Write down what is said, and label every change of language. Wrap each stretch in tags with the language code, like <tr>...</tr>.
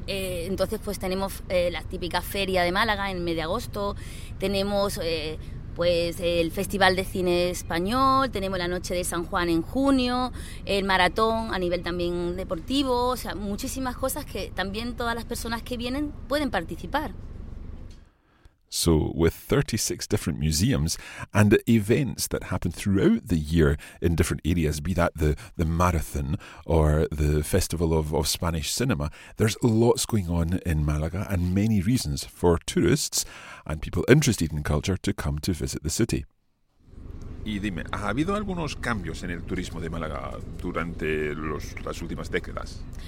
<es>Entonces pues tenemos la típica feria de Málaga en medio agosto, tenemos pues el Festival de Cine Español, tenemos la Noche de San Juan en junio, el maratón a nivel también deportivo, o sea, muchísimas cosas que también todas las personas que vienen pueden participar.</es> <en>So, with 36 different museums and events that happen throughout the year in different areas, be that the marathon or the Festival of Spanish Cinema, there's lots going on in Málaga and many reasons for tourists and people interested in culture to come to visit the city.</en> <es>Y dime, ¿ha habido algunos cambios en el turismo de Málaga durante las últimas décadas?</es>